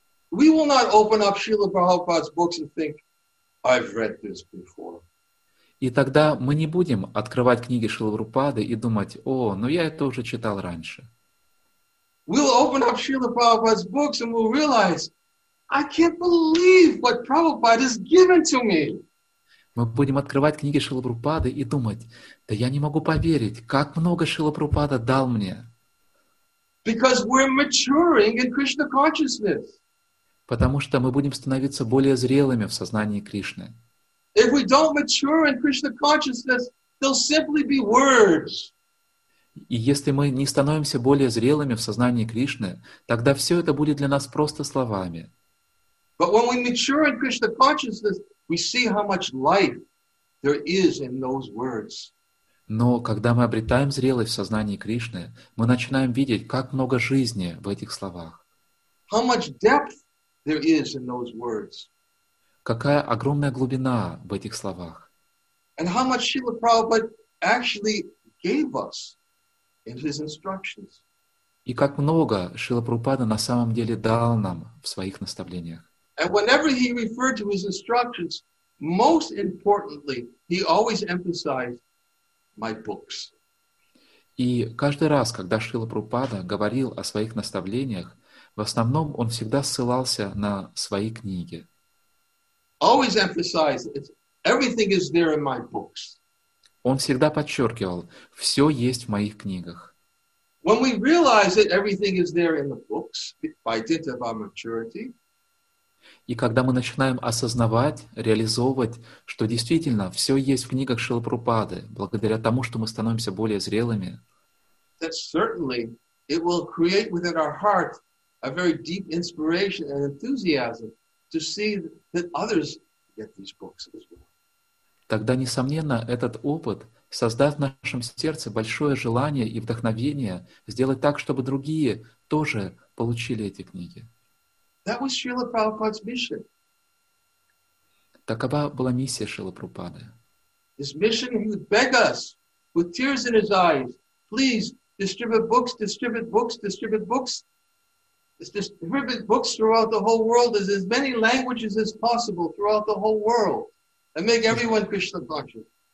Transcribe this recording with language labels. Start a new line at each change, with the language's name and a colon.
English: We will not open up Srila Prabhupada's books and think, I've read this before.
Russian: И тогда мы не будем открывать книги Шрилы Прабхупады и думать, о, ну я это уже читал раньше.
English: We'll open up Srila Prabhupada's books and we'll realize, I can't believe what Prabhupada has given to me.
Russian: Мы будем открывать книги Шрилы Прабхупады и думать, да я не могу поверить, как много Шрила Прабхупада дал мне.
English: Because we're maturing in Krishna consciousness.
Russian: Потому что мы будем становиться более зрелыми в сознании Кришны.
English: If we don't mature in Krishna consciousness, they'll simply be words.
Russian: И если мы не становимся более зрелыми в сознании Кришны, тогда все это будет для нас просто словами.
English: But when we mature in Krishna consciousness, we see how much life there is in those words.
Russian: Но когда мы обретаем зрелость в сознании Кришны, мы начинаем видеть, как много жизни в этих словах.
English: How much depth there is in those words.
Russian: Какая огромная глубина в этих словах.
English: And how much Srila Prabhupada actually gave us in his instructions.
Russian: И как много Шрила Прабхупада на самом деле дал нам в своих наставлениях.
English: And whenever he referred to his instructions, most importantly, he always emphasized my books.
Russian: И каждый раз, когда Шрила Прабхупада говорил о своих наставлениях, в основном он всегда ссылался на свои книги.
English: Always emphasized, everything is there in my books.
Russian: Он всегда подчеркивал, все есть в моих книгах.
English: When we realize that everything is there in the books, by dint of our maturity,
Russian: и когда мы начинаем осознавать, реализовывать, что действительно все есть в книгах Шрилы Прабхупады, благодаря тому, что мы становимся более зрелыми,
English: that certainly it will create within our heart a very deep inspiration and enthusiasm to see that others get these books as well.
Russian: Тогда, несомненно, этот опыт создаст в нашем сердце большое желание и вдохновение сделать так, чтобы другие тоже получили эти книги.
English: That was Srila Prabhupada's mission.
Russian: Такова была миссия Шрилы Прабхупады.
English: His mission, he would beg us with tears in his eyes, please distribute books, distribute books, distribute books. Distribute books throughout the whole world in as many languages as possible throughout the whole world and make everyone Krishna conscious.